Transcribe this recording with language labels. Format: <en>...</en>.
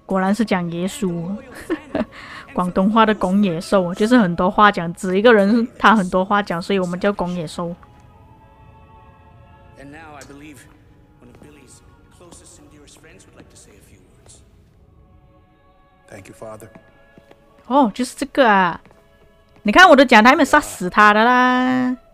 <zh>果然是讲耶稣，广东话的公野兽，就是很多话讲，指一个人他很多话讲，所以我们叫公野兽。</zh> <en>And now I believe one of Billy's closest and dearest friends would like to say a few words. Thank you, Father.</en> <zh>哦，就是这个啊！你看我的讲台没杀死他的啦。</zh>